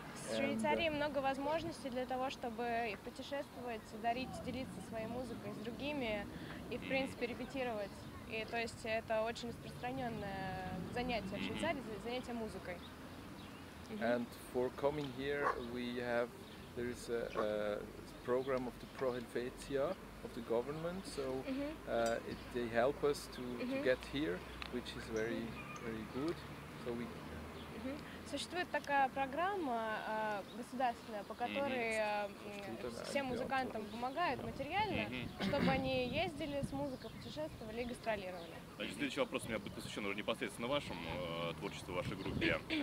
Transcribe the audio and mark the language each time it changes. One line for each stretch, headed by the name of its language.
Russian: В Швейцарии много возможностей для того, чтобы путешествовать, дарить, делиться своей музыкой с другими и, в принципе, репетировать. И то есть это очень распространенное занятие в Швейцарии, занятие музыкой.
English: And for coming here, there is a program of the Pro Helvetia of the government, so they help us to get here, which is very, very good. So we.
Russian: Существует такая программа государственная, по которой всем музыкантам помогают материально, чтобы они ездили с музыкой, путешествовали и гастролировали. Значит, следующий вопрос у меня будет посвящен уже непосредственно вашему творчеству, вашей группе.